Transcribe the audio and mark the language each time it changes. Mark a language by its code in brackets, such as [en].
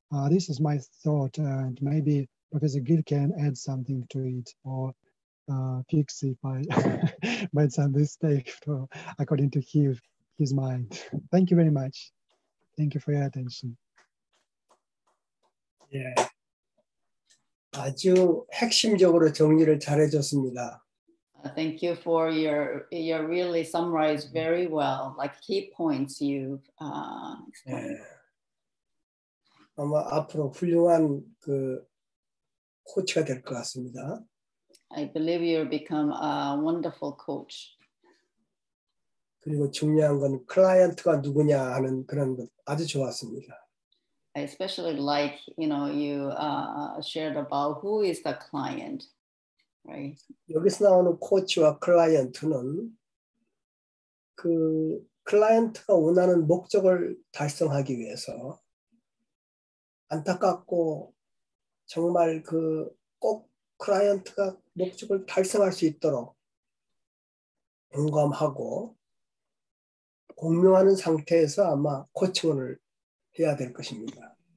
[en] This is my thought, and maybe Professor Gill can add something to it, or fix it by made some mistake according to his mind. Thank you very much. Thank you for your attention. Yeah. [ko] 아주 핵심적으로 정리를 잘해줬습니다. [en] Thank you for your really summarized very well, like key points you've explained. [ko] 아마 앞으로 훌륭한 그 코치가 될 것 같습니다. [en] I believe you'll become a wonderful coach. [ko] 그리고 중요한 건 클라이언트가 누구냐 하는 그런 것 아주 좋았습니다. [en] I especially like, you know, you shared about who is the client, right? [ko] 여기서 나오는 코치와 클라이언트는 그 클라이언트가 원하는 목적을 달성하기 위해서 안타깝고 정말 그 꼭 클라이언트가 목적을 달성할 수 있도록 공감하고 공명하는 상태에서 아마 코칭을 해야 될 것입니다.